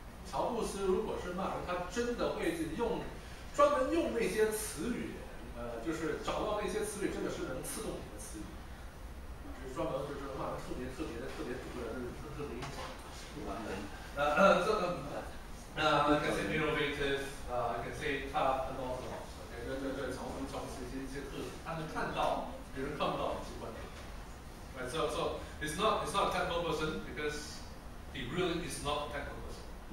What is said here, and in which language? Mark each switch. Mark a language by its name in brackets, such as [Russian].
[Chinese] 乔布斯如果是骂人，他真的会用专门用那些词语，就是找到那些词语，真的是能刺痛你的词语。专门就是骂人特别土的，特别英雄，不完美。 [English] I can say innovative, I can say tough and all that. [Chinese] OK， 这乔布斯一些特点，他能看到别人看不到的机会。 [English] Right, so it's not a technical person because he really is not a technical person.